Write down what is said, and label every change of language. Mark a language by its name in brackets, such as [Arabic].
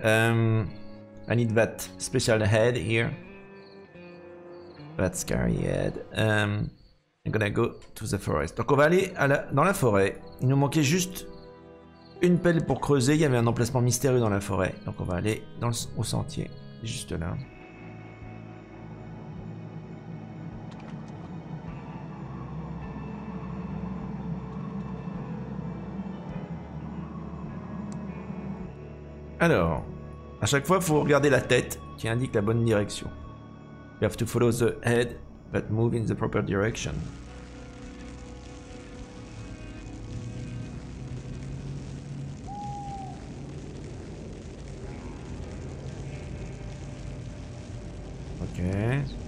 [English] I need that special head here. That scary head. I'm gonna go to the forest. [French] Donc on va aller à la, dans la forêt. Il nous manquait juste une pelle pour creuser. Il y avait un emplacement mystérieux dans la forêt. Donc on va aller dans le, au sentier. Juste là. Alors, à chaque fois, il faut regarder la tête qui indique la bonne direction. [English] You have to follow the head that moves in the proper direction. Ok.